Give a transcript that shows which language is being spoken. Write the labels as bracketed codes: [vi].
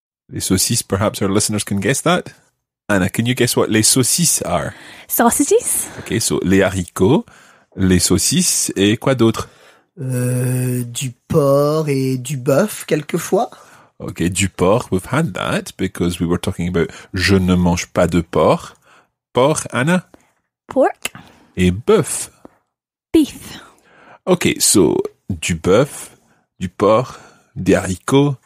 [fr] Les saucisses, [en] perhaps our listeners can guess that. Anna, can you guess what [fr] les saucisses [en] are? Sausages. Ok, so [fr] les haricots, les saucisses et quoi d'autre? Du porc et du bœuf, quelquefois. [en] Ok, [fr] du porc, [en] we've had that because we were talking about [fr] je ne mange pas de porc. Porc, Anna? [en] Pork. [fr] Et bœuf? [en] Beef. Ok, so [fr] du bœuf, du porc, des haricots.